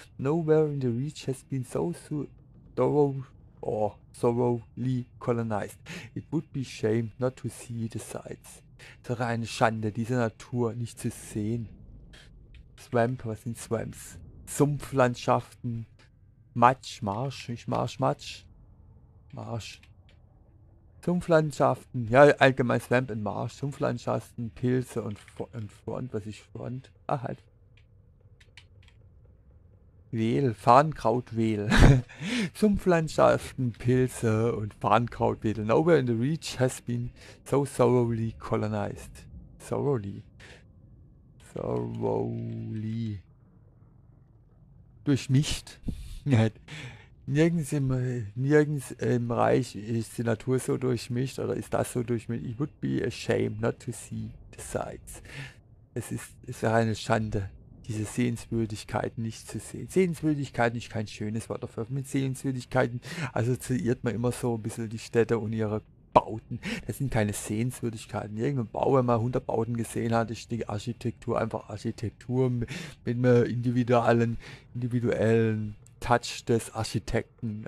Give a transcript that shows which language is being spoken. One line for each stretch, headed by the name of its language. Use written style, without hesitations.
English: Nowhere in the reach has been so thoroughly colonized. It would be shame not to see the sights.
German: Es wäre eine Schande, diese Natur nicht zu sehen. Swamp, was sind Swamps? Sumpflandschaften. Matsch, Marsch, nicht Marsch, Matsch. Marsch. Sumpflandschaften. Ja, allgemein Swamp und Marsch. Sumpflandschaften, Pilze und Front. Was ist Front? Ah, halt. Wehl, Farnkrautwehl. Sumpflandschaften, Pilze und Farnkrautwehl.
English: Nowhere in the reach has been so thoroughly colonized. Thoroughly. Thoroughly. Durchmischt.
German: Nirgends im Reich ist die Natur so durchmischt oder ist das so durchmischt.
English: It would be a shame not to see the sights.
German: Es wäre eine Schande, diese Sehenswürdigkeiten nicht zu sehen. Sehenswürdigkeiten ist kein schönes Wort dafür. Mit Sehenswürdigkeiten assoziiert man immer so ein bisschen die Städte und ihre Bauten. Das sind keine Sehenswürdigkeiten. Irgendein Bau, wenn man 100 Bauten gesehen hat, ist die Architektur einfach Architektur mit einem individuellen Touch des Architekten.